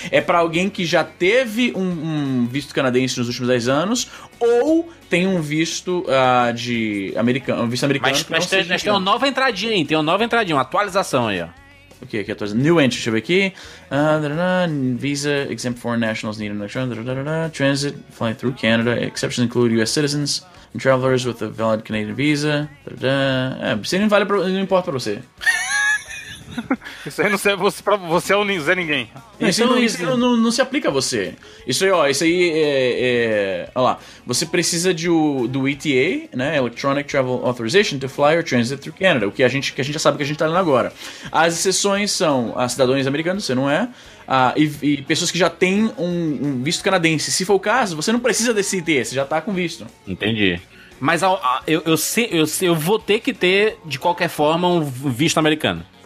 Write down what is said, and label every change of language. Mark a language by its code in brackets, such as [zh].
[pt] É pra alguém que já teve um visto canadense nos últimos 10 anos ou tem um visto de americano, um visto americano. Mas tem uma nova entradinha aí, uma atualização aí, ó. O que aqui atualização? [en] New entry, [pt] deixa eu ver aqui. [en] Visa exempt foreign nationals need an extra transit flying through Canada, exceptions include US citizens. And travelers with a valid Canadian visa. [pt] Isso aí não importa pra você. Isso aí não serve você, pra você ou Zé ninguém. Isso não se aplica a você. Isso aí, ó. Isso aí é. Olha lá. Você precisa do ETA, né? [en] Electronic Travel Authorization to fly or transit through Canada. [pt] O que a gente já sabe que a gente tá lendo agora. As exceções são cidadãos americanos, você não é. E pessoas que já têm um visto canadense. Se for o caso, você não precisa desse ITS, você já tá com visto. Entendi. Mas eu vou ter que ter, de qualquer forma, um visto americano.